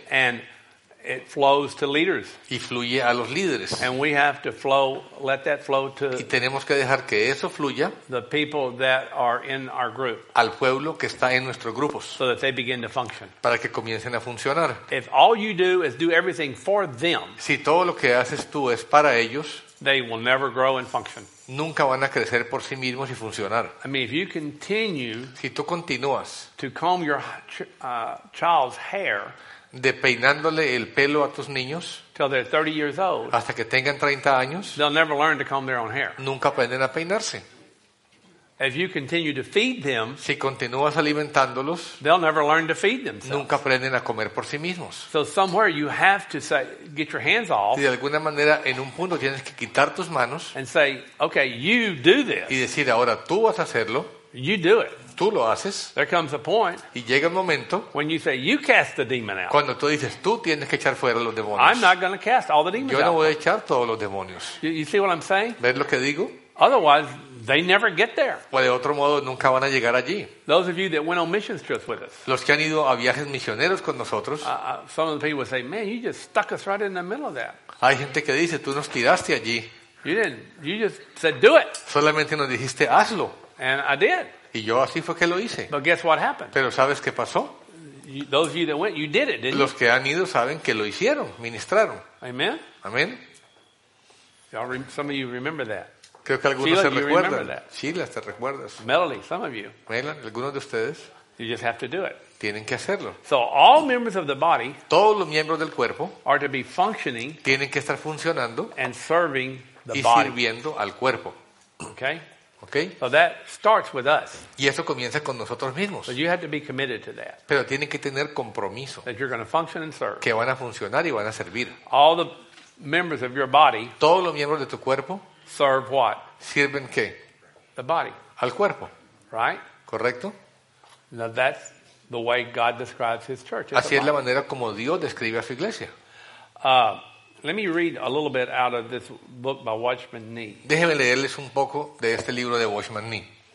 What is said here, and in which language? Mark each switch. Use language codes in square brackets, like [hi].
[en] And it flows to leaders. [es] Y fluye a los líderes. [en] And we have to flow, let that flow to. [es] Y tenemos que dejar que eso fluya. [en] The people that are in our group. [es] Al pueblo que está en nuestros grupos. [en] So that they begin to function. [es] Para que comiencen a funcionar. [en] If all you do is do everything for them. [es] Si todo lo que haces tú es para ellos. [en] They will never grow and function. [es] Nunca van a crecer por sí mismos y funcionar. [en] I mean, if you continue. [es] Si tú continúas. [en] To comb your child's hair. [es] De peinándole el pelo a tus niños [en] till they're 30 years old, [es] hasta que tengan 30 años, [en] they'll never learn to comb their own hair. [es] Nunca aprenden a peinarse. [en] If you continue to feed them, [es] si continúas alimentándolos, [en] they'll never learn to feed themselves. [es] Nunca aprenden a comer por sí mismos. [en] So somewhere you have to say, get your hands off. [es] Y de alguna manera, en un punto tienes que quitar tus manos [en] and say, okay, you do this. [es] Y decir, ahora tú vas a hacerlo. [en] You do it. [es] Tú lo haces. [en] There comes a point. [es] Y llega el momento. [en] When you say you cast the demon out. [es] Cuando tú dices tú tienes que echar fuera los demonios. [en] I'm not going to cast all the demons out. [es] Yo no voy a echar todos los demonios. [en] You see what I'm saying? [es] ¿Ves lo que digo? [en] Otherwise, they never get there. [es] Pues de otro modo nunca van a llegar allí. [en] Those of you that went on missions trips with us. [es] Los que han ido a viajes misioneros con nosotros. [en] Some of the people say, "Man, you just stuck us right in the middle of that." [es] Hay gente que dice, "Tú nos tiraste allí." [en] You didn't. You just said, "Do it." [es] Solamente nos dijiste, "Hazlo." [en] And I did. [es] Y yo así fue que lo hice. [en] But guess what happened? [es] Pero ¿sabes qué pasó? [en] Those of you that went, you did it, didn't you? [es] Los que han ido saben que lo hicieron, ministraron. [en] Amen. [es] Amen. [en] Some of you remember that. [es] Creo que algunos se recuerdan. Sheila, ¿te recuerdas? [en] Melanie, some of you. [es] Melanie, algunos de ustedes. [en] You just have to do it. [es] Tienen que hacerlo. [en] So all members of the body. [es] Todos los miembros del cuerpo. [en] Are to be functioning. [es] Tienen que estar funcionando. [en] And serving the [es] body. Y sirviendo al cuerpo. [en] Okay. [es] Okay. [en] So that starts with us. [es] Y eso comienza con nosotros mismos. [en] But you have to be committed to that. [es] Pero tienen que tener compromiso. [en] That you're going to function and serve. [es] Que van a funcionar y van a servir. [en] All the members of your body. [es] Todos los miembros de tu cuerpo. [en] Serve what? [es] Sirven qué? [en] The body. [es] Al cuerpo. [en] Right? [es] Correcto. [en] Now that's the way God describes His church. [es] Así es la manera como Dios describe a su iglesia. [en] Let me read a little bit out of this book by Watchman Nee. [es] Déjeme leerles un poco de este libro de Watchman Nee.